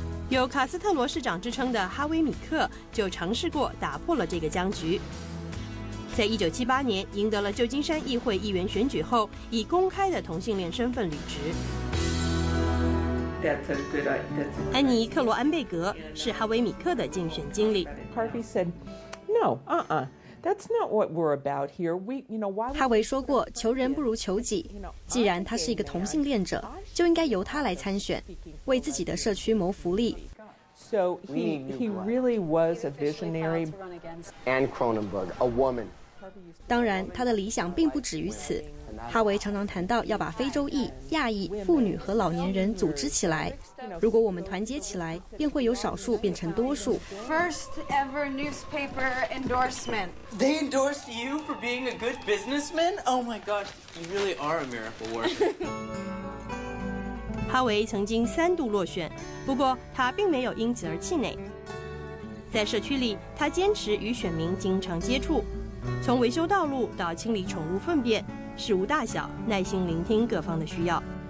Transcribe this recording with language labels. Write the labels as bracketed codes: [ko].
[zh] 有卡斯特罗市长之称的哈维米克就尝试过打破了这个僵局。在1978年赢得了旧金山议会议员选举后，以公开的同性恋身份履职。安妮·克罗安贝格是哈维米克的竞选经理。 [en] Harvey said, "No, that's not what we're about here. We, you know, why?" [zh] 哈维说过：“求人不如求己。既然他是一个同性恋者，就应该由他来参选，为自己的社区谋福利。” [en] So he really was a visionary. Anne Cronenberg, a woman. [zh] 当然，他的理想并不止于此。哈维常常谈到要把非洲裔、亚裔、妇女和老年人组织起来。如果我们团结起来，便会由少数变成多数。 [en] First ever newspaper endorsement. They endorsed you for being a good businessman? Oh my gosh, you really are a miracle worker. [zh] 哈维曾经三度落选，不过他并没有因此而气馁。在社区里，他坚持与选民经常接触，从维修道路到清理宠物粪便，事无大小，耐心聆听各方的需要。